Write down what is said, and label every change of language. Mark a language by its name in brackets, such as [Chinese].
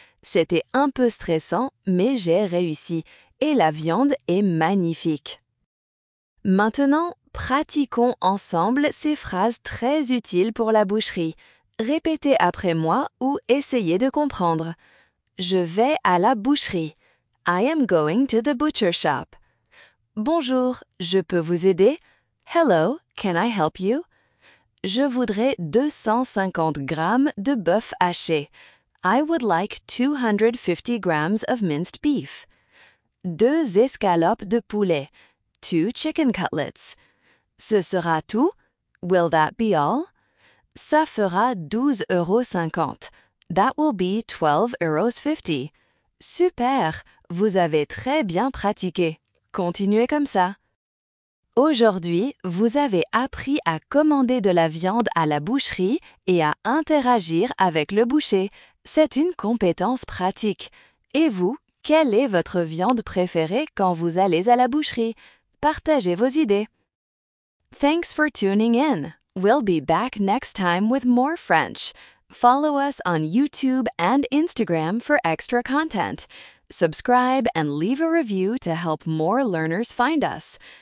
[French] C'était un peu stressant, mais j'ai réussi. Et la viande est magnifique. Maintenant, pratiquons ensemble ces phrases très utiles pour la boucherie. Répétez après moi ou essayez de comprendre. Je vais à la boucherie. [English] I am going to the butcher shop. [French] Bonjour, je peux vous aider? [English] Hello, can I help you? [French] Je voudrais 250 grammes de bœuf haché. [English] I would like 250 grammes of minced beef. [French] Deux escalopes de poulet. [English] Two chicken cutlets. [French] Ce sera tout? [English] Will that be all? [French] Ça fera 12,50 €. [English] That will be 12,50 €. Super! [French] Vous avez très bien pratiqué. Continuez comme ça. Aujourd'hui, vous avez appris à commander de la viande à la boucherie et à interagir avec le boucher. C'est une compétence pratique. Et vous, quelle est votre viande préférée quand vous allez à la boucherie? Partagez vos idées. [English] Thanks for tuning in. We'll be back next time with more French. Follow us on YouTube and Instagram for extra content. Subscribe and leave a review to help more learners find us.